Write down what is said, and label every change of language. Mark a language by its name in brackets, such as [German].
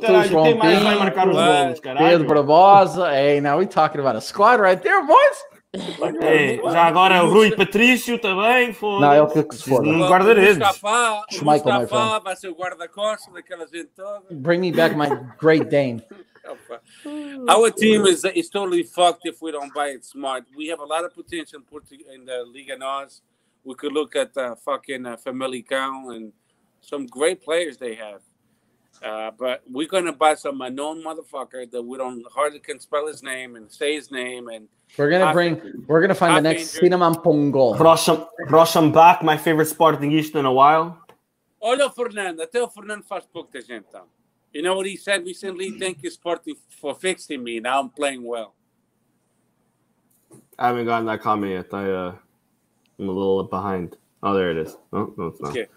[Portuguese] Caralho, tem mais para marcar os gols, caralho. Pedro Barbosa. [English] Hey, now we're talking about a squad right there, boys. [Portuguese] Já agora o Rui Patrício também. Não, é o que se for. Um guarda-redes. [English] Schmeichel, my friend. [Portuguese] Vai ser o guarda-costas daquela gente toda. [English] Bring me back my great Dane. Our team is totally fucked if we don't buy it smart. We have a lot of potential in the Liga NOS. We could look at fucking Famalicão and some great players they have. But we're going to buy some unknown motherfucker that we don't hardly can spell his name and say his name. And We're going to find the next Cinnamon Pongo. Rocham back, my favorite Sportingista in a while. [Portuguese] Olha o Fernando. Até o Fernando faz pouco da gente, então. [English] You know what he said recently? Thank you, Sporting, for fixing me. Now I'm playing well. I haven't gotten that comment yet. I'm a little behind. Oh, there it is. No, it's not. Okay.